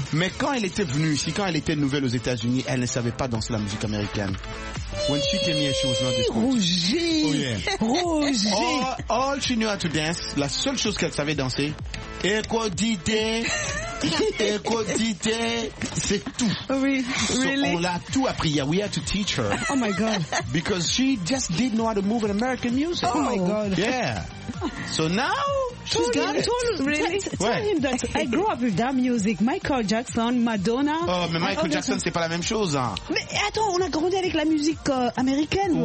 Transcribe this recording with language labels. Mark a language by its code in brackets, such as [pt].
[fr] Mais quand elle était venue ici, quand elle était nouvelle aux États-Unis, elle ne savait pas danser la musique américaine. [en] When she came here, she was not this Rougie. Oh yeah. Rougie. All she knew how to dance, [fr] la seule chose qu'elle savait danser, Ekodite, c'est tout. [en] Oui, really? So [fr] on l'a tout appris. [en] Yeah, we had to teach her. Oh my God. Because she just didn't know how to move in American music. Oh my God. Yeah. So now, she's got it. Tell him that I grew up with that music. Michael Jackson, Madonna. [fr] Oh, mais Michael Jackson, c'est pas la même chose. Hein. Mais attends, on a grandi avec la musique américaine.